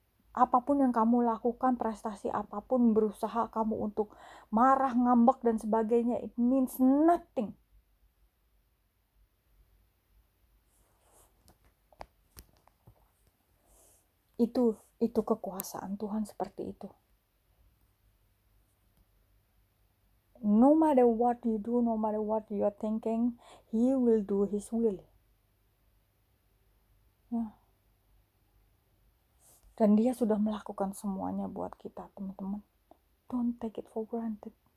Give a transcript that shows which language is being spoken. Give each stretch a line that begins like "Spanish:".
Indonesian: Apapun yang kamu lakukan, prestasi apapun, berusaha kamu untuk marah, ngambek, dan sebagainya,
English: it means nothing.
Indonesian: Itu kekuasaan Tuhan seperti itu.
English: No matter what you do, no matter what you are thinking, he will do his will.
Indonesian: Ya. Dan dia sudah melakukan semuanya buat kita, teman-teman.
English: Don't take it for granted.